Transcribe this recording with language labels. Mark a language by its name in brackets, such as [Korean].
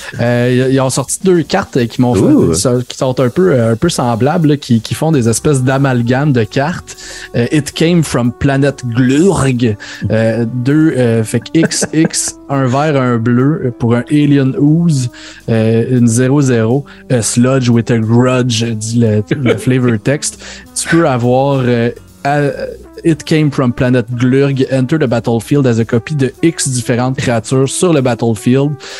[French] Ils ont sorti deux cartes qui m'ont fait, qui sont un peu semblables, là, qui font des espèces d'amalgames de cartes. [English] It came from Planet Glurg. [French] Fait que XX, un vert, un bleu pour un Alien Ooze, une 0-0, a sludge with a grudge, dit le flavor text. Tu peux avoir. [English] It came from Planet Glurg, enter the battlefield as a copy de X différentes créatures sur le battlefield.